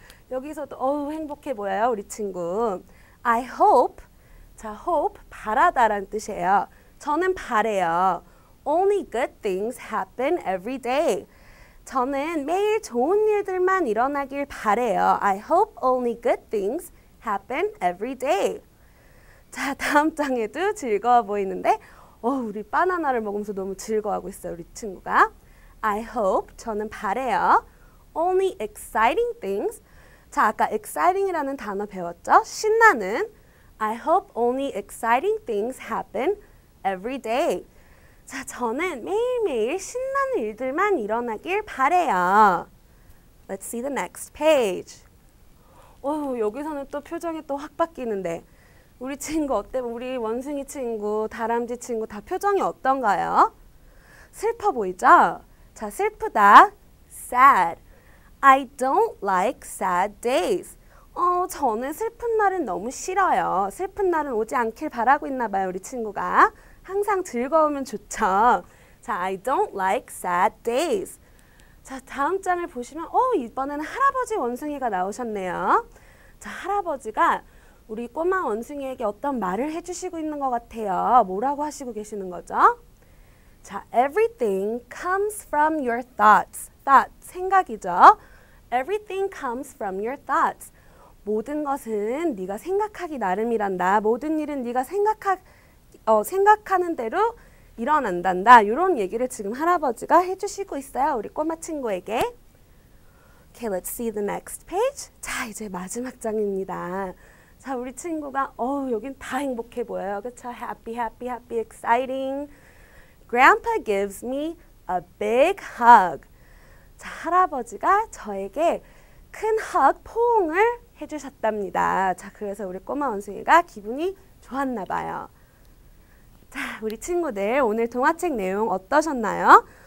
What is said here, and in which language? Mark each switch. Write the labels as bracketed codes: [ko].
[ko] 여기서도 어우 행복해 보여요, 우리 친구. [en] I hope. [ko] 자, hope 바라다란 뜻이에요. 저는 바래요. [en] Only good things happen every day. [ko] 저는 매일 좋은 일들만 일어나길 바래요. [en] I hope only good things happen every day. [ko] 자, 다음 장에도 즐거워 보이는데, 우리 바나나를 먹으면서 너무 즐거워하고 있어요, 우리 친구가. [en] I hope [ko] 저는 바래요. [en] Only exciting things. [ko] 자, 아까 exciting이라는 단어 배웠죠? 신나는. [en] I hope only exciting things happen every day. [ko] 자, 저는 매일매일 신나는 일들만 일어나길 바래요. [en] Let's see the next page. [ko] 여기서는 또 표정이 또확 바뀌는데. 우리 친구 어때? 우리 원숭이 친구, 다람쥐 친구 다 표정이 어떤가요? 슬퍼 보이죠? 자, 슬프다. Sad. [en] I don't like sad days. [ko] 저는 슬픈 날은 너무 싫어요. 슬픈 날은 오지 않길 바라고 있나 봐요, 우리 친구가. 항상 즐거우면 좋죠. 자, [en] I don't like sad days. [ko] 자, 다음 장을 보시면, 이번에는 할아버지 원숭이가 나오셨네요. 자, 할아버지가 우리 꼬마 원숭이에게 어떤 말을 해주시고 있는 것 같아요. 뭐라고 하시고 계시는 거죠? [en] 자, everything comes from your thoughts. [ko] Thoughts, 생각이죠. [en] Everything comes from your thoughts. [ko] 모든 것은 네가 생각하기 나름이란다. 모든 일은 네가 생각하는 대로 일어난단다. 이런 얘기를 지금 할아버지가 해주시고 있어요. 우리 꼬마 친구에게. [en] Okay, let's see the next page. [ko] 자, 이제 마지막 장입니다. 자, 우리 친구가 여긴 다 행복해 보여요. 그쵸? [en] Happy, happy, happy, exciting. Grandpa gives me a big hug. [ko] 자, 할아버지가 저에게 큰 hug, 포옹을 해주셨답니다. 자, 그래서 우리 꼬마 원숭이가 기분이 좋았나 봐요. 자, 우리 친구들 오늘 동화책 내용 어떠셨나요?